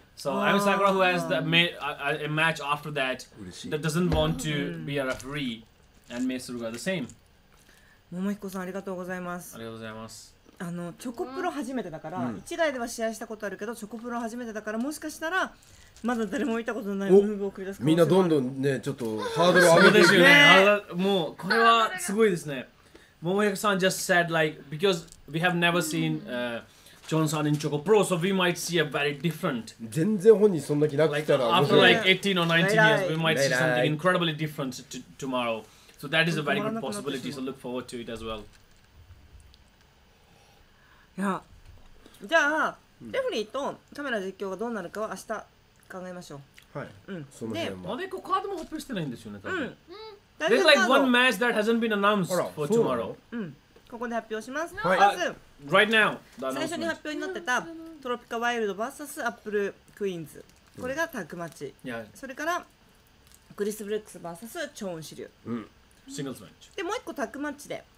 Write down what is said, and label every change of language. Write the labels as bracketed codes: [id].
[en] So I'm Sakura, who has a match after that that doesn't want to be a referee, and Mei Suruga the same. Momohiko-san, thank you. Thank you. Thank you. Thank you. [ja] あのチョコプロ初めてだから、うん、1台では試合したことあるけどチョコプロ初めてだからもしかしたらまだ誰も見たことのないムーブを繰り出す。みんなどんどんねちょっとハードル上げてるね。もうこれはすごいですね。 [en] Momohiko-san just said like because we have never seen Johnson in Choco Pro, so we might see a very different. [ja] 全然本人そんな気なくしたら。 [en] After like 18 or 19 years, we might see something incredibly different tomorrow. So that is a very good possibility. So look forward to it as well. [ja] いや、じゃあレフリーとカメラ実況がどうなるかは明日考えましょう。はい。うん。その辺は。まだ一個カードも発表してないんですよね。うん。 [en] There's like one match that hasn't been announced for tomorrow. [ja] ここで発表します。はい。 [en] Right now. [ja] 最初に発表になってたトロピカワイルド VS アップルクイーンズ。これがタッグマッチ。それからクリス・ブレックス VS チョーン・シリュウ。シングルズマッチ。で、もう一個タッグマッチで。